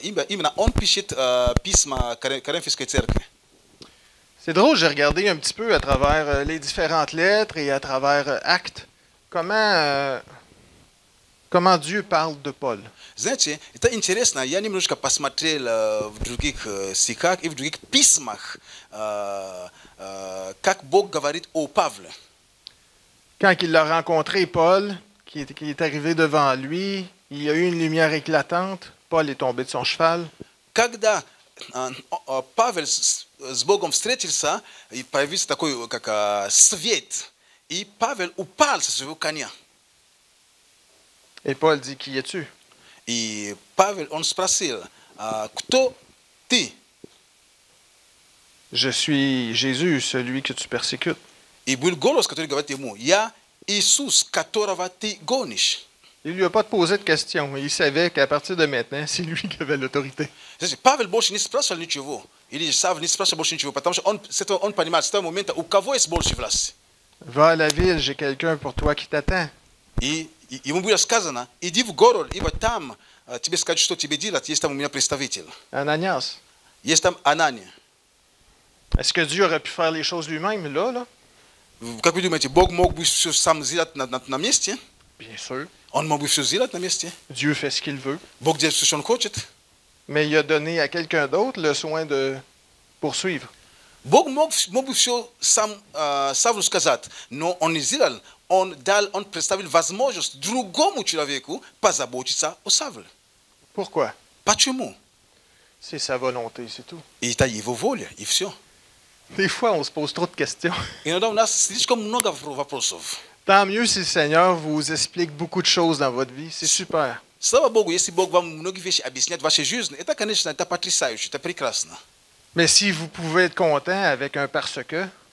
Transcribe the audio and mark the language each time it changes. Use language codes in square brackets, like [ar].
[ru] Именно он пишет письма Коринфской церкви. [fr] C'est drôle, j'ai regardé un petit peu à travers les différentes lettres et à travers Actes. Comment Dieu parle de Paul? [ru] Знаете, это интересно. Я немножко посмотрел в других стихах и в других письмах, как Бог говорит о Павле. [fr] Quand il l'a rencontré, Paul, qui est arrivé devant lui, il y a eu une lumière éclatante. Paul est tombé de son cheval. [ru] Когда Павел с Богом встретился, и появился такой как свет, и Павел упал со своего коня. [fr] Et Paul dit, qui es-tu? [ru] И Павел он спросил, кто ты? [fr] Je suis Jésus, celui que tu persécutes. [ru] И был голос, который говорит ему, я Иисус, которого ты гонишь. [fr] Il lui a pas posé de question. Il savait qu'à partir de maintenant, c'est lui qui avait l'autorité. [ru] Павел больше не спрашивал ничего. Или же Савва не спрашивал больше ничего, потому что он понимает, что в момент, у кого есть больше власти. [fr] Va à la ville, j'ai quelqu'un pour toi qui t'attend. [ru] И ему было сказано, иди в город, ибо там тебе скажут, что тебе делать, есть там у меня представитель. Ананиас. Есть там Анания. [fr] Est-ce que Dieu aurait pu faire les choses lui-même là, là? [ru] Как вы думаете, Бог мог бы все сам сделать на месте? [fr] Bien sûr. [ru] Он мог бы все сделать на месте? [fr] Dieu fait ce qu'il veut. [ru] Бог делает все, что он хочет. [fr] Mais il a donné à quelqu'un d'autre le soin de poursuivre. [ru] Бог мог бы все сам Савву сказать, но он не сделал. Он представил возможность другому человеку позаботиться о Савве. [fr] Pourquoi? [ru] Почему? [fr] C'est sa volonté, c'est tout. [ru] Et это его воля, и все. [fr] Des fois, on se pose trop de questions. Et donc, on a [ru] слишком много вопросов. [fr] Tant mieux si le Seigneur vous explique beaucoup de choses dans votre vie. C'est super. [ru] Слава Богу, если Бог вам многие вещи объясняет в вашей жизни, это, конечно, это потрясающе, это прекрасно. [fr] Mais si vous pouvez être content avec un parce que.